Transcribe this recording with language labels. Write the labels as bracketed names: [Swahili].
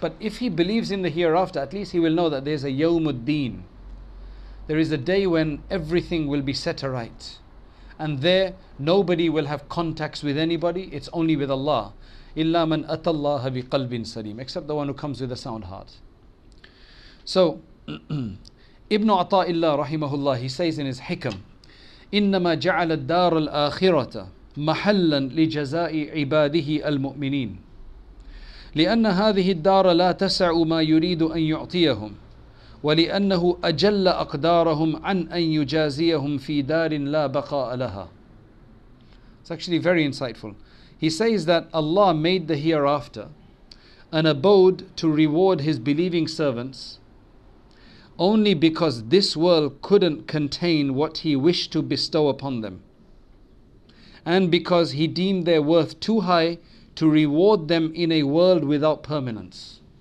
[English] But if he believes in the hereafter, at least he will know that there's a Yawmuddin. There is a day when everything will be set aright. And there, nobody will have contacts with anybody. It's only with Allah. [Arabic] إِلَّا مَنْ أَتَى اللَّهَ بِقَلْبٍ سَلِيمٍ. [English] Except the one who comes with a sound heart. So, Ibn Ata'illah, rahimahullah, he says in his Hikam, [Arabic] إِنَّمَا جَعَلَ الدَّارَ الْآخِرَةَ مَحَلًّا لِجَزَاءِ عِبَادِهِ الْمُؤْمِنِينَ لأن هذه الدار لا تسع ما يريد أن يعطيهم ولأنه أجل أقدارهم عن أن يجازيهم في دار لا بقاء لها. [English] It's actually very insightful. He says that Allah made the hereafter an abode to reward His believing servants only because this world couldn't contain what He wished to bestow upon them, and because He deemed their worth too high to reward them in a world without permanence.